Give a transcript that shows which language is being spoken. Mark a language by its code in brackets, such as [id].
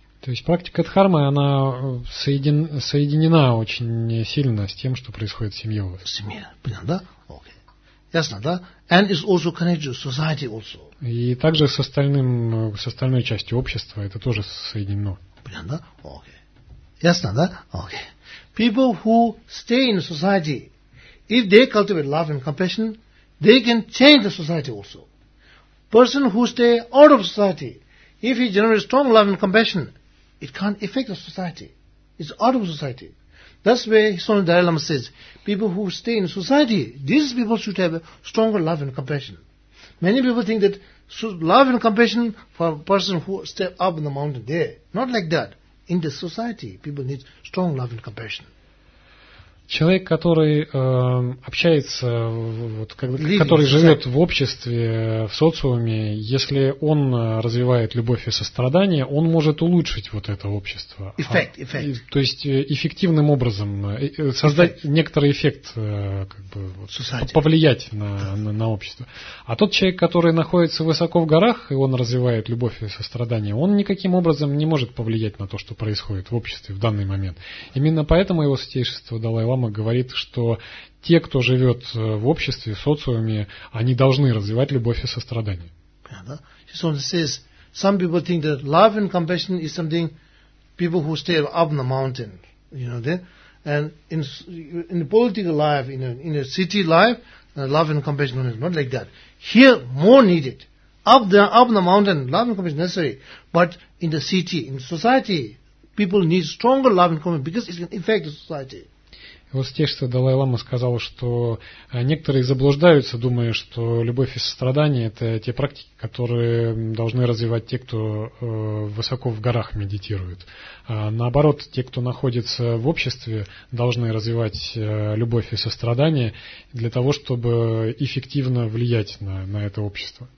[ru] То есть практика дхармы, она соединена очень сильно с тем, что происходит в семье. В семье, понятно, да? Окей. [en] Okay. [ru] Ясно, да? [en] And it's also connected to society also. [ru] И также с остальной частью общества это тоже соединено. Понятно, да? Окей. Okay. Ясно, да? Окей. Okay. [en] People who stay in society, if they cultivate love and compassion, they can change the society also. Person who stay out of society, if he generates strong love and compassion, it can't affect the society. It's out of society. That's where Swami Dalai Lama says, people who stay in society, these people should have stronger love and compassion. Many people think that love and compassion for a person who step up in the mountain there. Not like that. In the society, people need strong love and compassion. [ru] Человек, который общается, вот, который живет в обществе, в социуме, если он развивает любовь и сострадание, он может улучшить вот это общество. Эффект. То есть эффективным образом создать некоторый эффект, как бы, вот, повлиять на общество. А тот человек, который находится высоко в горах, и он развивает любовь и сострадание, он никаким образом не может повлиять на то, что происходит в обществе в данный момент. Именно поэтому его святейшество Далай-лама говорит, что те, кто живет в обществе, в социуме, они должны развивать любовь и сострадание. [en] Yeah, so he says, some people think that love and compassion is something people who stay up the mountain, you know, then, and in the political life, in a city life, love and compassion is not like that. Here, more needed. Up the mountain, love and compassion is necessary, but in the city, in society, people need stronger love and compassion because it can affect the society. [ru] Вот Святейшество Далай-Лама сказал, что некоторые заблуждаются, думая, что любовь и сострадание – это те практики, которые должны развивать те, кто высоко в горах медитирует. А наоборот, те, кто находится в обществе, должны развивать любовь и сострадание для того, чтобы эффективно влиять на это общество.